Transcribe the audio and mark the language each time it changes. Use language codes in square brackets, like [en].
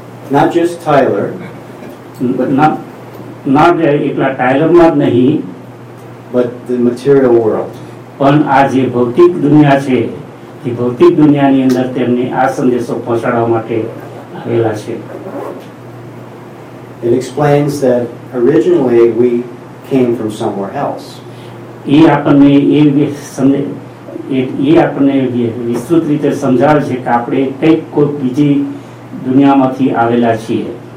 [en] Not just Tyler, but not [gu] એકલા Tyler માં જ નહીં, [en] but the material world. [gu] પણ આ જે ભૌતિક દુનિયા છે, એ ભૌતિક દુનિયાની અંદર તેમને આ સંદેશો પહોંચાડવા માટે આવેલા છે. [en] It explains that originally we came from somewhere else. [gu] એ આપણને એ સંદેશ એ આપણને વિસ્તૃત રીતે સમજાવે છે કે આપણે કઈક કોઈ બીજી દુનિયામાંથી આવેલા છીએ.